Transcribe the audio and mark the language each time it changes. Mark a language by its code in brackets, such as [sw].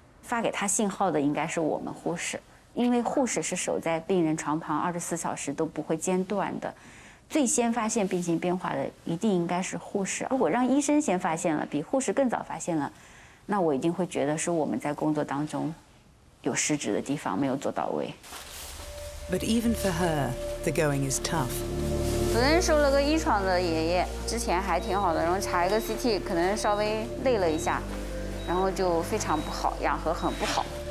[zh] 发给他信号的应该是我们护士，因为护士是守在病人床旁24小时都不会间断的。最先发现病情变化的一定应该是护士。如果让医生先发现了，比护士更早发现了，那我一定会觉得是我们在工作当中有失职的地方，没有做到位。 [en] But even for her, the going is tough. [zh] 昨天收了个遗传的爷爷，之前还挺好的，然后查一个 CT， 可能稍微累了一下，然后就非常不好，氧合很不好。